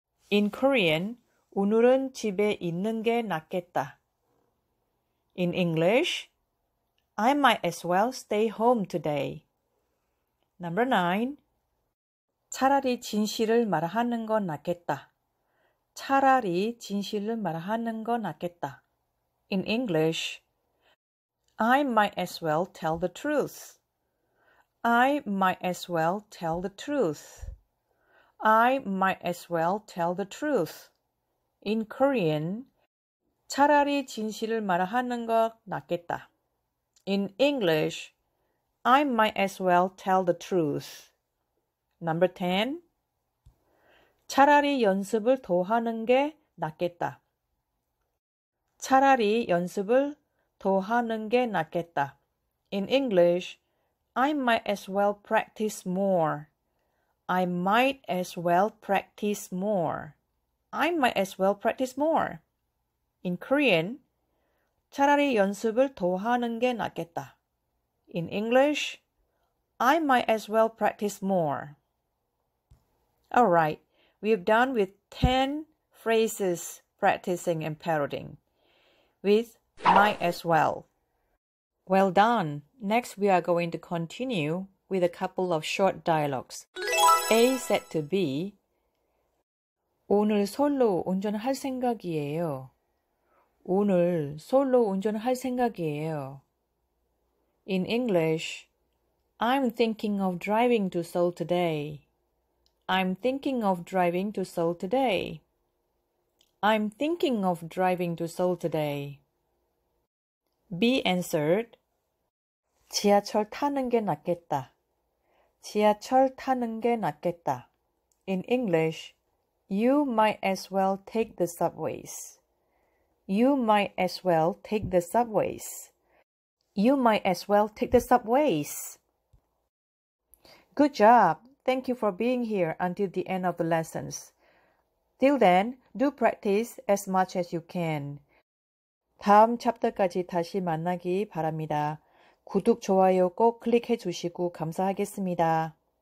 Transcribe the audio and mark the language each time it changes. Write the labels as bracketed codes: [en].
[en] In Korean, [ko] 오늘은 집에 있는 게 낫겠다. [en] In English, I might as well stay home today. Number 9. [ko] 차라리 진실을 말하는 건 낫겠다. 차라리 진실을 말하는 건 낫겠다. [en] In English, I might as well tell the truth. I might as well tell the truth. I might as well tell the truth. In Korean, [ko] 차라리 진실을 말하는 것 낫겠다. [en] In English, I might as well tell the truth. Number 10. [ko] 차라리 연습을 더 하는 게 낫겠다. 차라리 연습을 더 하는 게 낫겠다. [en] In English, I might as well practice more. I might as well practice more. I might as well practice more. In Korean, [ko] 차라리 연습을 더 하는 게 낫겠다. [en] In English, I might as well practice more. All right, we have done with 10 phrases practicing and parroting with might as well. Well done. Next, we are going to continue with a couple of short dialogues. A said to B, [ko] 오늘 솔로 운전할 생각이에요. 오늘 솔로 운전할 생각이에요. [en] In English, I'm thinking of driving to Seoul today. I'm thinking of driving to Seoul today. I'm thinking of driving to Seoul today. B answered, [ko] 지하철 타는 게 낫겠다. 지하철 타는 게 낫겠다. [en] In English, you might as well take the subways. You might as well take the subways. You might as well take the subways. Good job. Thank you for being here until the end of the lessons. Till then, do practice as much as you can. [ko] 다음 챕터까지 다시 만나기 바랍니다. 구독, 좋아요 꼭 클릭해 주시고 감사하겠습니다.